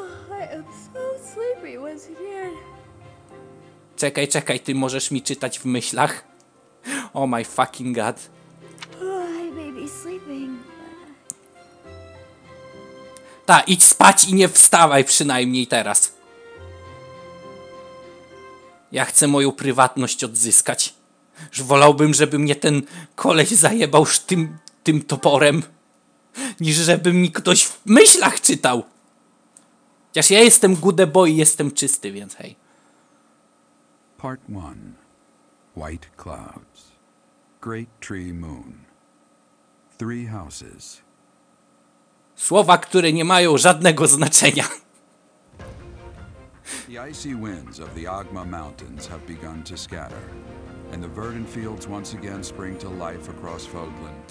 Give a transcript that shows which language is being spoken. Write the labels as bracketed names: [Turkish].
[English] I am so sleepy once again. [Polish] Czekaj, ty możesz mi czytać w myślach? [English] Oh my fucking god. I may be sleeping. [Polish] Ta, idź spać i nie wstawaj przynajmniej teraz. Ja chcę moją prywatność odzyskać. Wolałbym, żeby mnie ten koleś zajebał tym toporem, niż żeby mi ktoś w myślach czytał. Chociaż ja jestem [English] good boy, [Polish] jestem czysty, więc hej. [English] Part 1. White clouds. Great tree moon. Three houses. [Polish] Słowa, które nie mają żadnego znaczenia. [English] The icy winds of the Ogma Mountains have begun to scatter, and the verdant fields once again spring to life across Fogland.